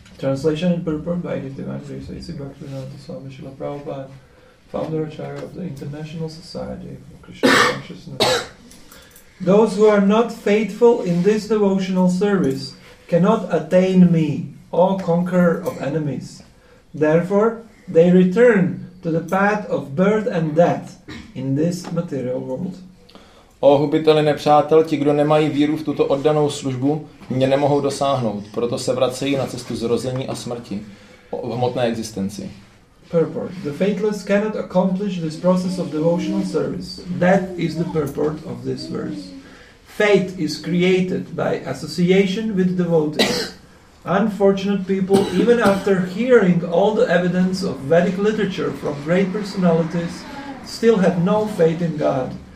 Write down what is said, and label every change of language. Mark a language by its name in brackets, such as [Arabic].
[English] Translation and purport by Nityananda Saraswati Bhaktivedanta Swami Srila Prabhupada, founder and chair of the International Society for Krishna Consciousness. Those who are not faithful in this devotional service cannot attain me, O conqueror of enemies. Therefore, they return to the path of birth and death in this material world. [Czech] O hubiteli nepřátel, ti, kdo nemají víru v tuto oddanou službu, mě nemohou dosáhnout, proto se vracejí na cestu zrození a smrti v hmotné existenci. [English] Purport. The faithless cannot accomplish this process of devotional service. That is the purport of this verse. Faith is created by association with devotees. Unfortunate people, even after hearing all the evidence of Vedic literature from great personalities, still have no faith in God.